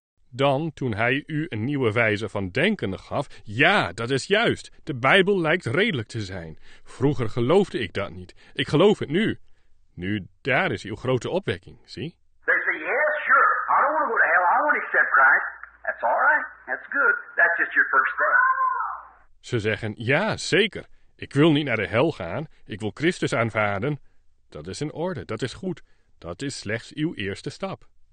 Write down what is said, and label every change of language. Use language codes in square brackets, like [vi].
[nl] Dan, toen hij u een nieuwe wijze van denken gaf, ja, dat is juist, de Bijbel lijkt redelijk te zijn. Vroeger geloofde ik dat niet, ik geloof het nu. Nu, daar is uw grote opwekking, zie? [en] They say, yes, sure, I don't want to go to hell, I want to accept Christ. That's all right, that's good, that's just your first step. [nl] Ze zeggen, ja, zeker, ik wil niet naar de hel gaan, ik wil Christus aanvaarden. Dat is in orde, dat is goed, dat is slechts uw eerste stap.